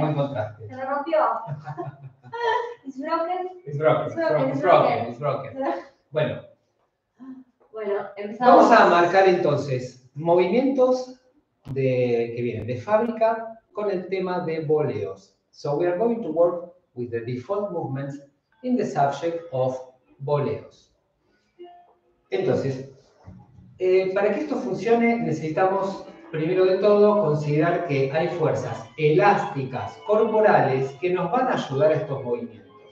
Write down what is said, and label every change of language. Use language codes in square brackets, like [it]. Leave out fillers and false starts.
[es] Buen contraste. Se me rompió. ¿Es broken? Es broken. Es broken. Bueno. Bueno, empezamos. Vamos a marcar entonces movimientos que vienen de fábrica con el tema de voleos. [en] So we are going to work with the default movements in the subject of voleos. [es] Entonces, para que esto funcione necesitamos primero de todo considerar que hay fuerzas elásticas corporales que nos van a ayudar a estos movimientos.